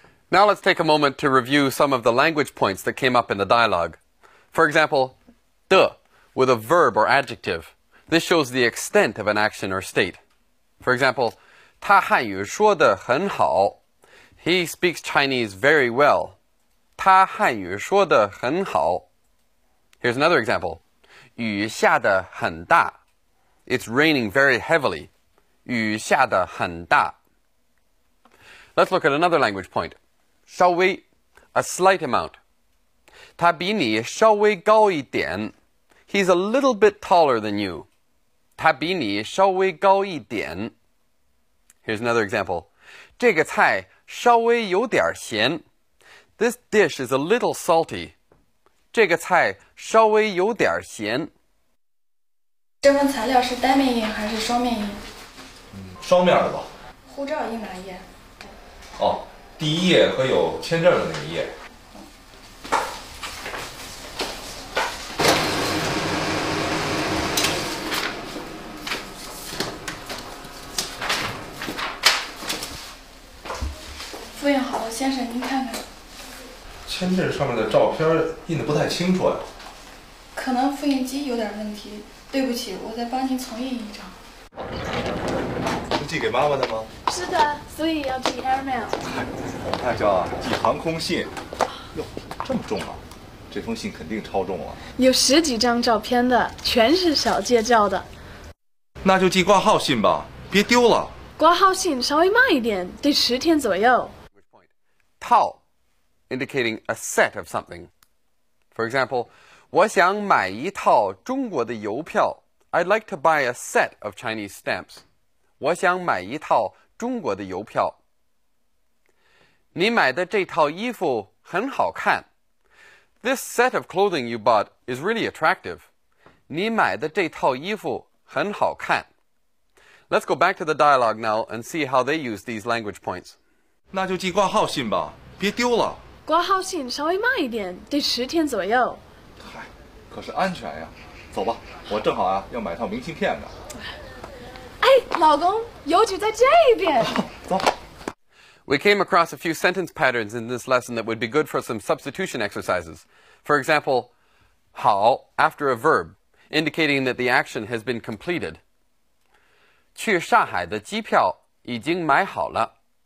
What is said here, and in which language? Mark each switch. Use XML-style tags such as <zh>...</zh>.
<en>Now let's take a moment to review some of the language points that came up in the dialogue. For example, 的 with a verb or adjective. This shows the extent of an action or state. For example,</en> <zh>他汉语说得很好.</zh> <en>He speaks Chinese very well.</en> <zh>他汉语说得很好.</zh> <en>Here's another example.</en> <zh>雨下得很大.</zh> <en>It's raining very heavily.</en> <zh>雨下得很大.</zh> <en>Let's look at another language point. 稍微, a slight amount.</en> <zh>他比你稍微高一点.</zh> <en>He's a little bit taller than you.</en> <zh>他比你稍微高一点.</zh> <en>Here's another example.</en> <zh>这个菜稍微有点咸.</zh> <en>This dish is a little salty.</en> <zh>这个菜稍微有点咸. 这份材料是单面印还是双面印？双面的吧。护照印哪页？哦。第一页和有签证的那一页。复印好了，先生您看看。签证上面的照片印得不太清楚呀。可能复印机有点问题，对不起，我再帮您重印一张。是寄给妈妈的吗？是的，所以要寄 airmail。那叫寄航空信。哟，这么重啊！这封信肯定超重了。有十几张照片的，全是小介照的。那就寄挂号信吧，别丢了。挂号信稍微慢一点，得十天左右。</zh> <en>套 ，indicating a set of something. For example,</en> <zh>我想买一套中国的邮票。</zh> <en>I'd like to buy a set of Chinese stamps.</en> <zh>我想买一套中国的邮票。你买的这套衣服很好看。</zh> <en>This set of clothing you bought is really attractive.</en> <zh>你买的这套衣服很好看。</zh> <en>Let's go back to the dialogue now and see how they use these language points.</en> <zh>那就寄挂号信吧，别丢了。挂号信稍微慢一点，得十天左右。嗨，可是安全呀。走吧，我正好啊要买套明信片呢。哎，老公，邮局在这边。走。</zh> <en>We came across a few sentence patterns in this lesson that would be good for some substitution exercises. For example, 好 after a verb, indicating that the action has been completed.</en> <zh>去上海的机票已经买好了。</zh>